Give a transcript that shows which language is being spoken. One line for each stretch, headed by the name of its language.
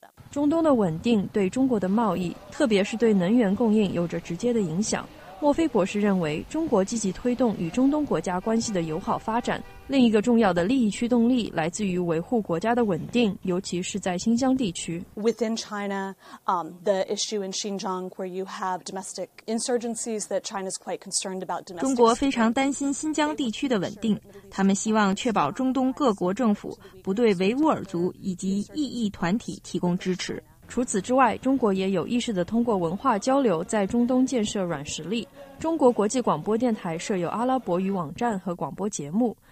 Chinese: 中东的稳定对中国的贸易，特别是对能源供应有着直接的影响。莫菲博士认为，中国积极推动与中东国家关系的友好发展，另一个重要的利益驱动力来自于维护国家的稳定，尤其是在新疆地区。
English: Within China, the issue in Xinjiang, where you have domestic insurgencies that China is quite concerned about.
Chinese: 中国非常担心新疆地区的稳定，他们希望确保中东各国政府不对维吾尔族以及异议团体提供支持。除此之外，中国也有意识地通过文化交流在中东建设软实力。中国国际广播电台设有阿拉伯语网站和广播节目。